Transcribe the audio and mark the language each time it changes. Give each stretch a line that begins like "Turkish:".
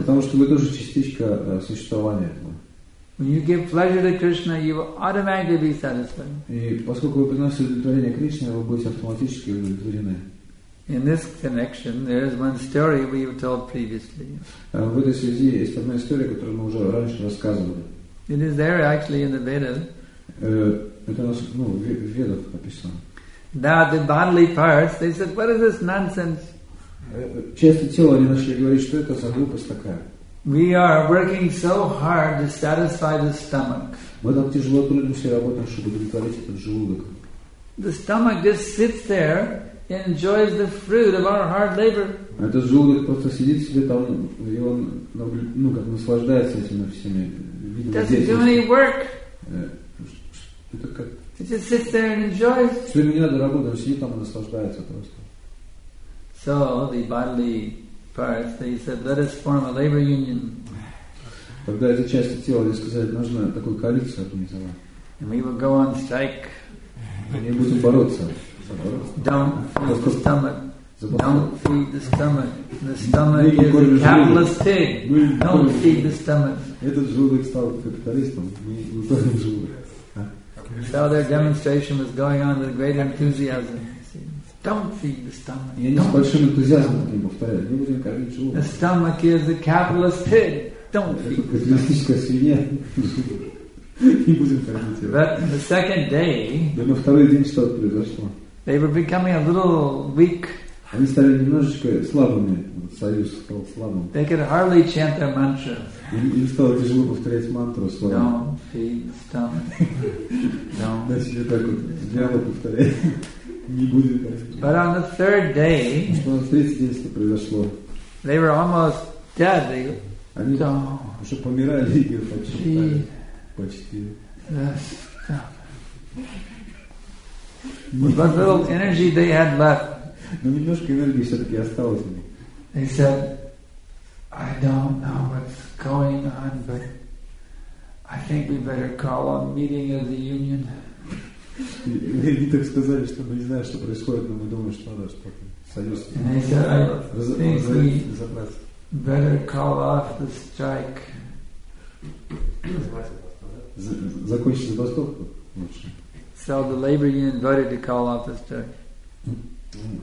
Russian: Потому что вы тоже частичка существования этого.
English: When you give pleasure to Krishna, you will automatically be satisfied.
Russian: И поскольку вы приносите удовлетворение Кришне, вы будете автоматически удовлетворены.
English: In this connection, there is one story we have told previously.
Russian: В этой связи есть одна история, которую мы уже раньше рассказывали.
English: It is there actually in the Vedas.
Russian: Это у нас в Ведах описано.
English: That the bodily parts, they said, what is this nonsense?
Russian: Части тела они начали говорить, что это за глупость такая.
English: We are working so hard to satisfy the stomach.
Russian: Мы так тяжело трудимся, работаем, чтобы удовлетворить этот желудок.
English: The stomach just sits there, enjoys the fruit of our hard labor.
Russian: Этот желудок просто сидит себе там, и он, как наслаждается этими всеми видами.
English: Doesn't do any work. It just sits there and enjoys.
Russian: Все не надо работать, сидит там и наслаждается просто.
English: So the bodily parts, they said, let us form a labor union.
Russian: Тогда эти части тела, они сказали, нужно такую коалицию организовать.
English: And we will go on strike.
Russian: Мы будем бороться.
English: Don't feed the stomach. Don't feed the stomach. The stomach is a capitalist pig. Don't feed the stomach.
Russian: Этот желудок стал капиталистом. Мы кормим желудок.
English: So their demonstration was going on with great enthusiasm. Don't feed the stomach. Don't feed the stomach. The stomach is a capitalist pig. Don't feed the stomach. But the second day, they were becoming a little weak. They could hardly chant their mantra.
Russian: Им стало тяжело повторять мантру
English: словно. Don't feed the stomach.
Russian: Да, так вот, дьявол повторяет. Не будет так.
English: But on the third day,
Russian: произошло.
English: They were almost dead.
Russian: Они уже помирали, и почти.
English: What little energy they had left.
Russian: Но немножко энергии все-таки осталось у них.
English: They said, I don't know what's going on, but I think we better call a meeting of the union.
Russian: Они так сказали, что мы не знаем, что происходит, но мы думаем, что надо что-то союз.
English: And they said, I think we better call off the strike.
Russian: Закончить забастовку лучше.
English: So the labor union voted to call off the strike.